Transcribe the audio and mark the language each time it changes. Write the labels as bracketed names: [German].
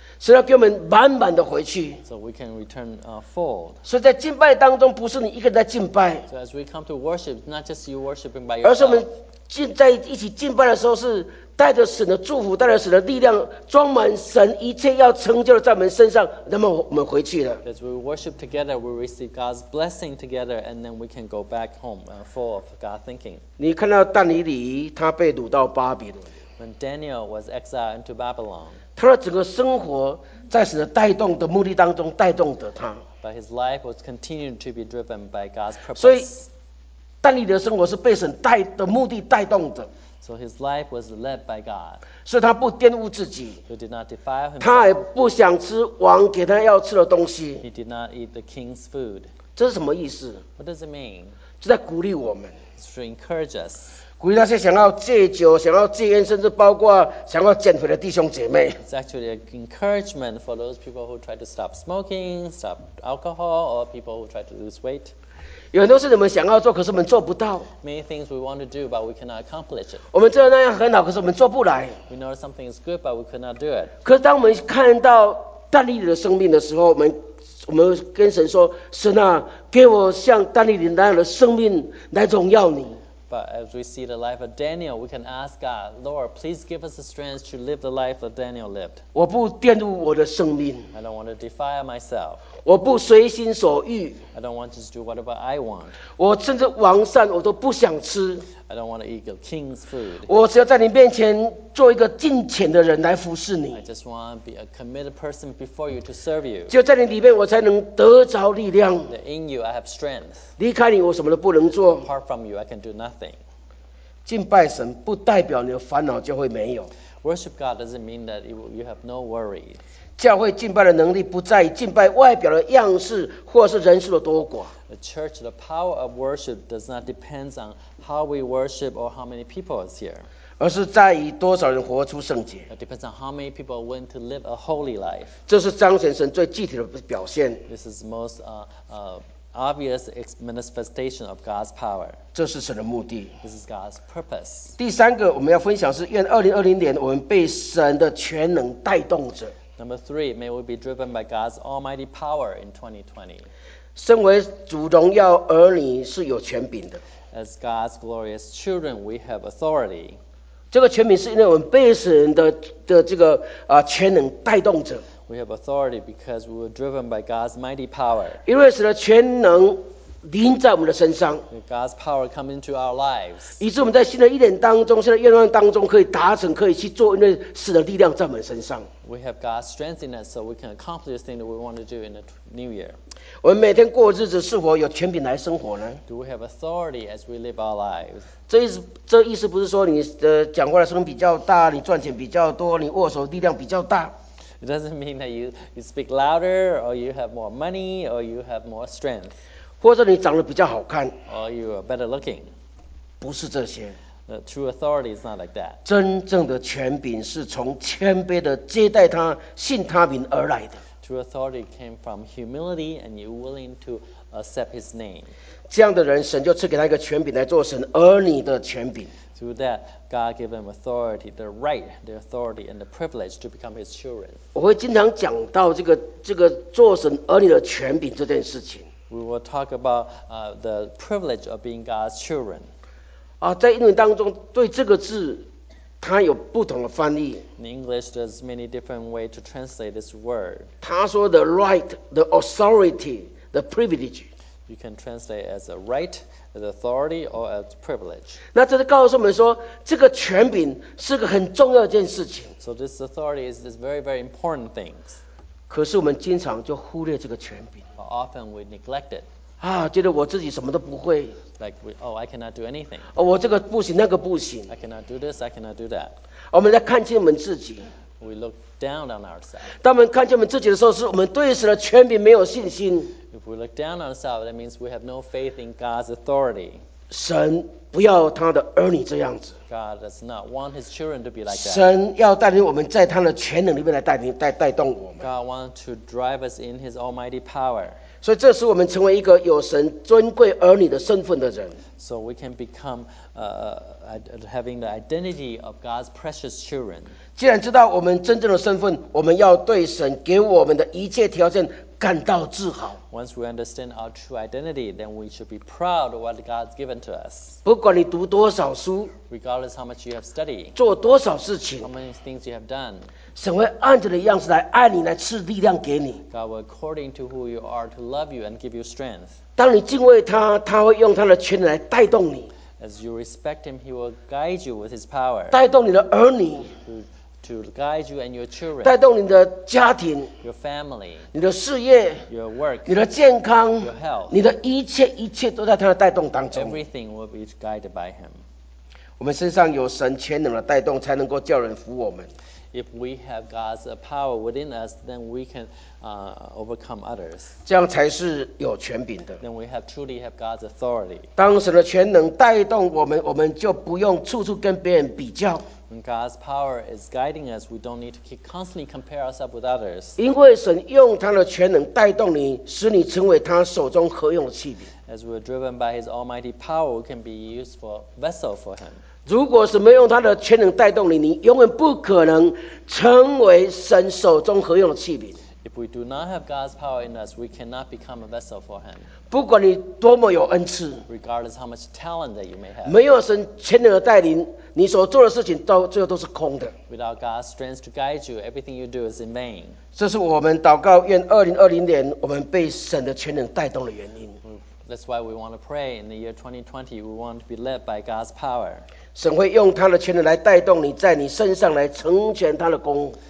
[Chinese] 神要给我们满满的回去 [English] So we can return fold [Chinese] 所以在敬拜当中不是你一个人在敬拜 [English] So as we come to worship not just you worshiping by yourself [Chinese] 而是我们在一起敬拜的时候是带着神的祝福带着神的力量装满神一切要成就在我们身上那么我们回去了 [English] As we worship together we receive God's blessing together and then we can go back home full of God thinking [Chinese] 你看到但以理他被掳到巴比伦 [English] When Daniel was exiled into Babylon [Chinese] 他的整个生活在神的带动的目的当中带动着他 [English] But his life was continued to be driven by God's purpose [Chinese] 所以但以理的生活是被神带的目的带动的 [English] So his life was led by God. [Chinese] 所以他不玷污自己 [English] He did not defile himself. [Chinese] 他也不想吃王给他要吃的东西 [English] He did not eat the king's food. [Chinese] 这是什么意思 [English] What does it mean? [Chinese] 就在鼓励我们 [English] To encourage us. [Chinese] 鼓励那些想要戒酒想要戒烟甚至包括想要减肥的弟兄姐妹 [English] It's actually an encouragement for those people who try to stop smoking, stop alcohol, or people who try to lose weight. [Chinese] 有很多事我们想要做可是我们做不到 [English] Many things we want to do but we cannot accomplish it [Chinese] 我们做的那样很好可是我们做不来 [English] We know something is good but we could not do it [Chinese] 可是当我们看到但以理的生命的时候我们跟神说神啊给我像但以理那样的生命来荣耀你 [English] But as we see the life of Daniel we can ask God Lord please give us the strength to live the life that Daniel lived [Chinese] 我不玷污我的生命 [English] I don't want to defile myself [Chinese] 我不随心所欲 [English] I don't want to do whatever I want [Chinese] 我甚至王膳我都不想吃 [English] I don't want to eat the king's food [Chinese] 我只要在你面前做一个敬虔的人来服侍你 [English] I just want to be a committed person before you to serve you [Chinese] 只有在你里面我才能得着力量 [English] In you I have strength [Chinese] 离开你我什么都不能做 [English] Apart from you I can do nothing [Chinese] 敬拜神不代表你的烦恼就会没有 [English] Worship God doesn't mean that you have no worry [Chinese] 教会敬拜的能力不在于敬拜外表的样式或是人数的多寡 [English] The church, the power of worship does not depend on how we worship or how many people is here [Chinese] 而是在于多少人活出圣洁 [English] It depends on how many people are willing to live a holy life [Chinese] 这是彰显神最具体的表现 [English] This is the most obvious manifestation of God's power [Chinese] 这是神的目的 [English] This is God's purpose [Chinese] 第三个我们要分享是愿2020年我们被神的全能带动着 [English] Number three, may we be driven by God's almighty power in 2020. [Chinese] 身为主荣耀儿女是有权柄的。 [English] As God's glorious children, we have authority. [Chinese] 这个权柄是因为我们被神的这个全能带动着。 [English] We have authority because we were driven by God's mighty power. [Chinese] 因为神的全能临在我们的身上。 [English] God's power come into our lives. [Chinese] 以致我们在新的一年当中新的愿望当中可以达成可以去做因为神的力量在我们身上。 [English] We have God's strength in us so we can accomplish the thing that we want to do in the new year. [Chinese] 我们每天过日子是否有权柄来生活呢 [English] Do we have authority as we live our lives? [Chinese] 这意思不是说你的讲话的声音比较大你赚钱比较多你握手力量比较大。 [English] It doesn't mean that you speak louder or you have more money or you have more strength. [Chinese] 或者你长得比较好看 [English] or you are better looking [Chinese] 不是这些 [English] the true authority is not like that [Chinese] 真正的权柄是从谦卑的接待他信他名而来的 [English] true authority came from humility and you're willing to accept his name. [Chinese] 这样的人神就赐给他一个权柄来做神儿女的权柄。 [English] Through that, God gave him authority, the right, the authority, and the privilege to become his children. [Chinese] 我会经常讲到这个做神儿女的权柄这件事情。 [English] We will talk about the privilege of being God's children. [Chinese] 啊，在英文当中对这个字它有不同的翻译。 [English] In English, there's many different ways to translate this word. [Chinese] 他说 [English] the right, the authority, the privilege. You can translate as a right, as authority, or as privilege. [Chinese] 那这是告诉我们说，这个权柄是个很重要的一件事情。 [English] So this authority is this very, very important thing. [Chinese] 可是我们经常就忽略这个权柄。 [English] But often we neglect it. [Chinese] 啊，觉得我自己什么都不会。 [English] Like, oh, I cannot do anything. [Chinese] 哦，我这个不行，那个不行。 [English] I cannot do this, I cannot do that. [Chinese] 我们在看见我们自己。 [English] We look down on ourselves. [Chinese] 当我们看见我们自己的时候，是我们对神的权柄没有信心。 [English] If we look down on ourselves, that means we have no faith in God's authority. [Chinese] 神不要他的儿女这样子。 [English] God does not want his children to be like that. [Chinese] 神要带领我们在他的全能里面来带领带动我们。 [English] God wants to drive us in his almighty power. [Chinese] 所以这使我们成为一个有神尊贵儿女的身份的人。 [English] So we can become having the identity of God's precious children. [Chinese] 既然知道我们真正的身份，我们要对神给我们的一切条件感到自豪。 [English] Once we understand our true identity, then we should be proud of what God's given to us. [Chinese] 不管你读多少书， [English] regardless how much you have studied, [Chinese] 做多少事情， [English] how many things you have done, [Chinese] 神会按着的样子来爱你，来赐力量给你。 [English] God will according to who you are to love you and give you strength. [Chinese] 当你敬畏他，他会用他的权力来带动你。 [English] As you respect him, he will guide you with his power. [Chinese] 带动你的儿女。 [English] To guide you and your children, [Chinese] 带动你的家庭 [English] your family, [Chinese] 你的事业 [English] your work, [Chinese] 你的健康 [English] your health, [Chinese] 你的一切一切都在他的带动当中 [English] everything will be guided by him. [Chinese] 我们身上有神全能的带动才能够叫人服我们 [English] if we have God's power within us, then we can overcome others. [Chinese] 这样才是有权柄的 [English] then we have truly have God's authority. [Chinese] 当神的全能带动我们我们就不用处处跟别人比较 [English] When God's power is guiding us, we don't need to keep constantly compare ourselves with others. [Chinese] 因为神用他的全能带动你，使你成为他手中可用的器皿。 [English] As we're driven by His almighty power, we can be used for vessel for Him. [Chinese] 如果是没用他的全能带动你，你永远不可能成为神手中可用的器皿。 [English] If we do not have God's power in us, we cannot become a vessel for Him. [Chinese] 不管你多么有恩赐， [English] regardless how much talent that you may have, [Chinese] 没有神全能的带领，你所做的事情到最后都是空的。 [English] Without God's strength to guide you, everything you do is in vain. [Chinese] 这是我们祷告，愿2020年我们被神的全能带动的原因。 [English] That's why we want to pray in the year 2020. We want to be led by God's power. [Chinese] 神会用他的全能来带动你，在你身上来成全他的功。